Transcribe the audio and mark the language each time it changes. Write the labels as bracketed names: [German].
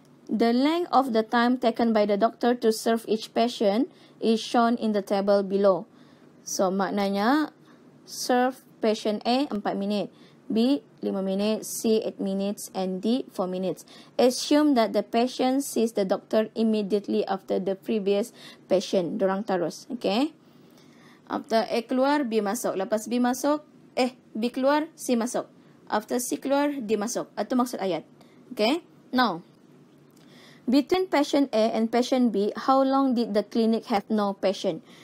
[English] The length of the time taken by the doctor to serve each patient is shown in the table below. So, maknanya, serve patient A, 4 minutes, B, 5 minutes, C, 8 minutes, and D, 4 minutes. Assume that the patient sees the doctor immediately after the previous patient. [Malay] Dorang terus, okay? After A keluar, B masuk. Lepas B masuk, B keluar, C masuk. After C keluar, D masuk. Itu maksud ayat, okay? [English] Now, between patient A and patient B, how long did the clinic have no patient?